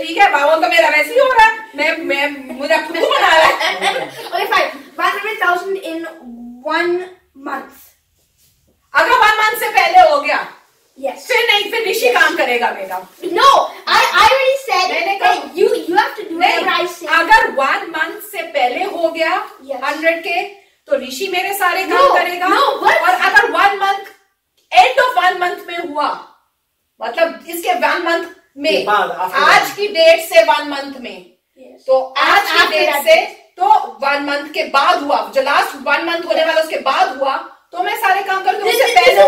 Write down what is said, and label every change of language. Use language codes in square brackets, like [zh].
[hi] ठीक है बाबू, तो मेरा वैसे ही हो रहा है, मैं मुझे खुद बना रहा है। [en] Okay fine, 100,000 in 1 month. [hi] अगर 1 month से पहले हो गया [en] Yes. [hi] फिर नहीं, फिर ऋषि काम करेगा बेटा। [en] No, I already said that you have to do whatever I [hi] अगर 1 month से पहले हो गया 100K तो ऋषि मेरे सारे काम करेगा, और अगर 1 month एंड ऑफ 1 month में हुआ, मतलब इसके 1 month में आज की डेट से 1 month में, तो आज की डेट से तो 1 month के बाद हुआ, जो लास्ट 1 month होने वाला उसके बाद हुआ, तो मैं सारे काम कर दूं उससे पहले